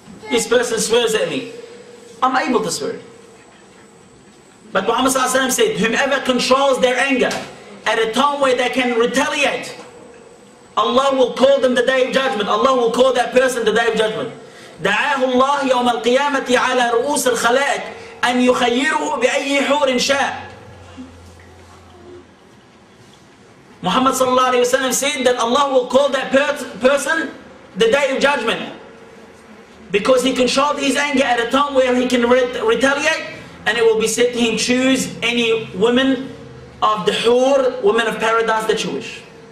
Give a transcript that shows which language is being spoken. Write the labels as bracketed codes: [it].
[en] This person swears at me. I'm able to swear. But Muhammad sallallahu alayhi wa sallam said, whomever controls their anger at a time where they can retaliate, Allah will call them the day of judgment. Allah will call that person the day of judgment. [ar] دعاه الله يوم القيامة على رؤوس الخلائق أن يخيره بأي حور شاء. [en] Muhammad sallallahu alayhi wa sallam said that Allah will call that person the day of judgment, because he controlled his anger at a time where he can retaliate, and it will be said to him, choose any woman of the hur, woman of paradise that you wish.